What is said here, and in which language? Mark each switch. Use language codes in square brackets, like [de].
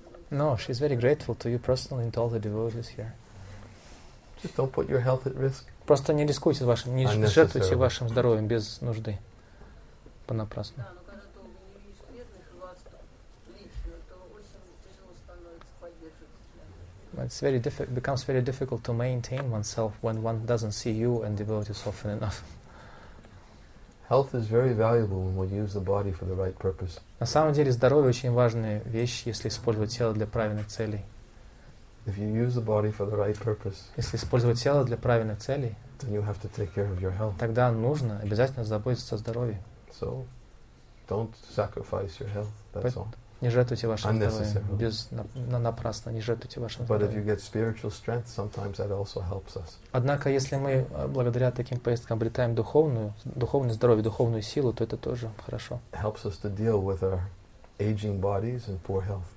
[en] No, she's very grateful to you personally and to all the devotees here. Just don't put your health at risk. [ru] Просто не рискуйте вашим, не жертвуйте вашим здоровьем без нужды. Понапрасну. Да, но когда ты не видишь бедных вас лично, то очень тяжело становится поддерживать. [en] It's very becomes very difficult to maintain oneself when one doesn't see you and devotees often enough. Health is very valuable when we use the body for the right purpose. [ru] На самом деле здоровье очень важная вещь, если использовать тело для правильных целей. [en] If you use the body for the right purpose, [ru] если использовать тело для правильных целей, [en] then you have to take care of your health. [ru] Тогда нужно обязательно заботиться о здоровье. [en] So, don't sacrifice your health. That's all. [ru] Не жертвуйте вашим здоровьем без напрасно. Не жертвуйте вашим здоровьем. [en] But if you get spiritual strength, sometimes that also helps us. [ru] Однако, если мы благодаря таким поездкам обретаем духовное здоровье, духовную силу, то это тоже хорошо. [en] It helps us to deal with our aging bodies and poor health.